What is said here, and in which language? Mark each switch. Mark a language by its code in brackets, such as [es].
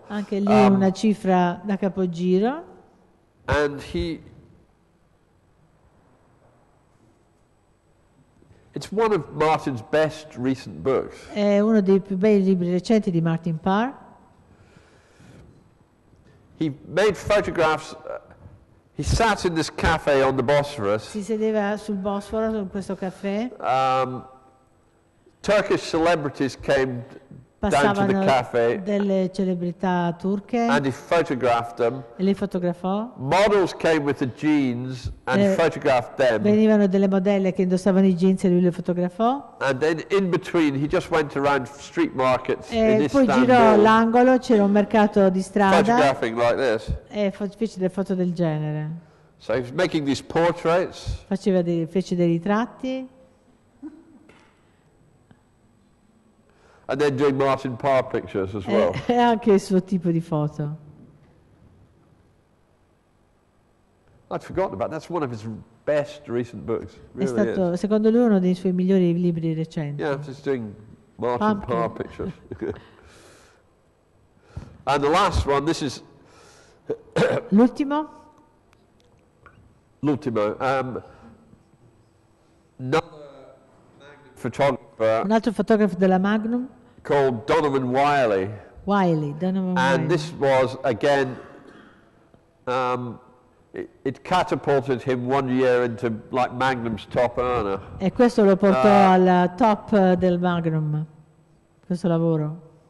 [it] Anche lì una cifra da capogiro. [en] And he. It's one of Martin's best recent books. [it] È uno dei più bei libri recenti di Martin Parr. [en] He made photographs. He sat in this cafe on the Bosphorus. [it] Si sedeva sul Bosforo in questo caffè. [en] Turkish celebrities came [it] Passavano [en] down to the cafe. [it] Delle celebrità turche. [en] And he photographed them. [it] E li fotografò. [en] Models came with the jeans and photographed them. [it] Venivano delle modelle che indossavano I jeans e lui le fotografò. [en] And then in between he just went around street markets [it] e [en] in Istanbul. [it] Poi girò l'angolo, c'era un mercato di strada. [en] Photographing like this. [it] E fece delle foto del genere. [en] So he's making these portraits. [it] Fece dei ritratti. [en] And then doing Martin Parr pictures as well. [it] È anche il suo tipo di foto. [en] I'd forgotten about that. That's one of his best recent books. Really [it] è stato, [en] is. [it] Secondo lui, uno dei suoi migliori libri recenti. [en] Yeah, just doing Martin Parr pictures. And the last one, this is... [it] L'ultimo? L'ultimo. Un altro fotografo della Magnum. [en] Called Donovan Wiley. Wiley, Donovan Wiley. And this was, again, it catapulted him 1 year into, like, Magnum's top earner. [it] E questo lo portò al top del Magnum, questo lavoro.